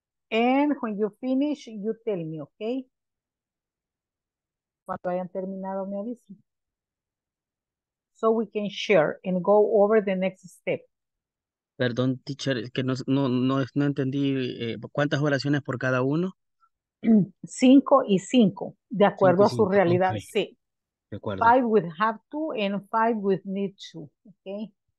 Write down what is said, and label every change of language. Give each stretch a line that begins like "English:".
English: And when you finish, you tell me, okay?
Spanish: Cuando hayan terminado, me avisen.
English: So we can share and go over the next step.
Spanish: Perdón, teacher, es que no entendí cuántas oraciones por cada uno. 5 y 5, de acuerdo a su realidad, okay. Sí. De acuerdo.
English: 5 with have to and 5 with need to, okay.